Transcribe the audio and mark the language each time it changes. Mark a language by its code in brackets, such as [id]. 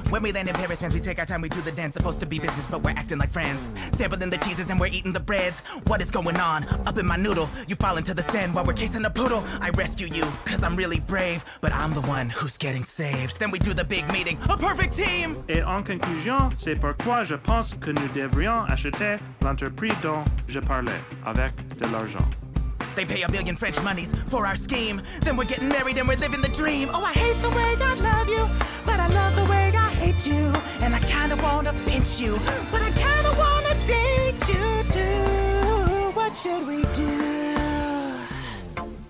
[en] When we land in Paris, fans, we take our time, we do the dance. Supposed to be business, but we're acting like friends. Sampling the cheeses and we're eating the breads. What is going on? Up in my noodle, you fall into the sand while we're chasing a poodle. I rescue you, cause I'm really brave, but I'm the one who's getting saved. Then we do the big meeting, a perfect team! [fr] Et en conclusion, c'est pourquoi je pense que nous devrions acheter l'entreprise dont je parlais avec de l'argent. [en] They pay a billion French monies for our scheme. Then we're getting married and we're living the dream. Oh, I hate the way I love you, but I love the way I hate you. And I kinda wanna pinch you, but I kinda wanna date you too. What should we do?